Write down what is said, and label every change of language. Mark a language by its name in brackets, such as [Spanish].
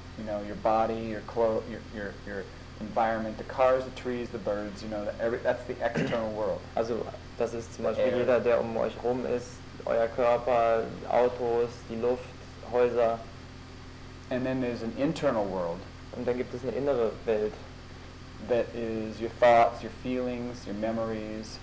[English] You know, your body, your clothes, your environment, the cars, the trees, the birds, you know, that's the external world. [German] Also Das ist zum Beispiel jeder, der um euch rum ist, euer Körper, Autos, die Luft, Häuser. [English] And then there's an internal world. [German] Und dann gibt es eine innere Welt. [English] That is your thoughts, your feelings, your memories.